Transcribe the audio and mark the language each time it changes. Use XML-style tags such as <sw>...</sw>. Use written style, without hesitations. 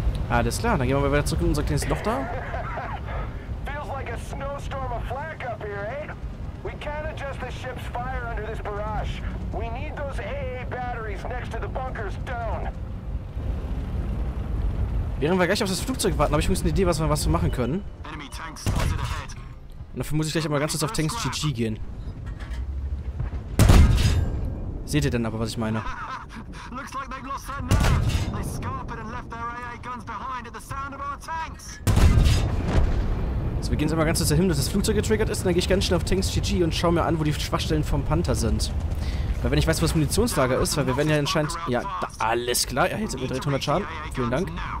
<de>Alles klar, dann gehen wir wieder zurück in unser kleines Loch da.</de> <en>Feels like a snowstorm of flak up here, eh? We can't adjust the ship's fire under this barrage. We need those AA batteries next to the bunkers down.</en> <de>Während wir gleich auf das Flugzeug warten, habe ich übrigens eine Idee, was wir machen können.</de> <en>Enemy tanks spotted ahead.</en> <de>Und dafür muss ich gleich mal ganz kurz auf Tanks GG gehen. Seht ihr denn aber, was ich meine?</de> <en>Looks like they've lost their nerve. They scarped and left their AA guns behind at the sound of our tanks.</en> <de>So, wir gehen jetzt mal ganz kurz dahin, dass das Flugzeug getriggert ist, und dann gehe ich ganz schnell auf Tanks GG und schaue mir an, wo die Schwachstellen vom Panther sind. Weil wenn ich weiß, wo das Munitionslager ist, weil wir werden ja anscheinend... Ja, da, alles klar. Ja, jetzt haben wir 300 Schaden. Vielen Dank.</de>